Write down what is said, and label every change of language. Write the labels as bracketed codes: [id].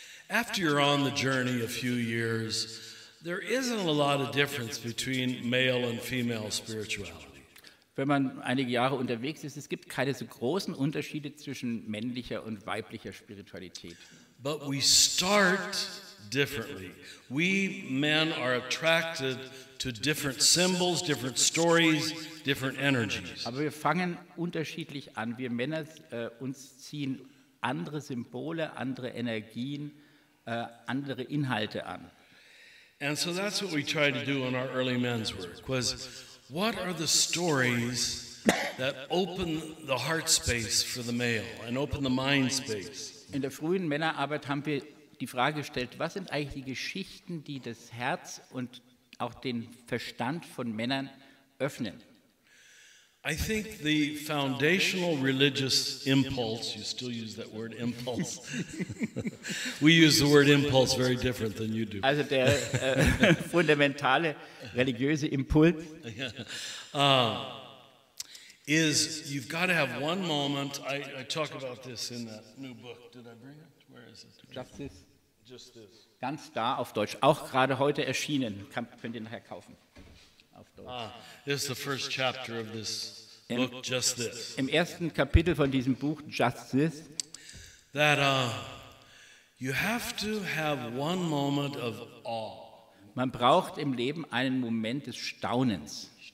[en] After you're on the journey a few years, there isn't a lot of difference between male and female spirituality. [de] Wenn man einige Jahre unterwegs ist, es gibt keine so großen Unterschiede zwischen männlicher und weiblicher Spiritualität. [en] But we start differently. We men are attracted to different symbols, different stories, different energies. [de] Aber wir fangen unterschiedlich an. Wir Männer uns ziehen andere Symbole, andere Energien, andere Inhalte an. [en] And so that's what we try to do in our early men's work was, what are the stories that open the heart space for the male and open the mind space? [de] In der frühen Männerarbeit haben wir die Frage gestellt, was sind eigentlich die Geschichten, die das Herz und auch den Verstand von Männern öffnen? [en] I think the foundational religious impulse, you still use that word impulse. We use the word impulse very different than you do. [de] Also der fundamentale religiöse Impuls. [en] Is you've got to have one moment. I talk about this in that new book. Did I bring it? Where is it? [de] Just this. Ganz da auf Deutsch. Auch gerade heute erschienen. Könnt ihr nachher kaufen. Auf Deutsch. [en] This is the first chapter of this book, Just This. [de] Im ersten Kapitel von diesem Buch, Just This. [en] That you have to have one moment of awe. [de] Man braucht im Leben einen Moment des Staunens.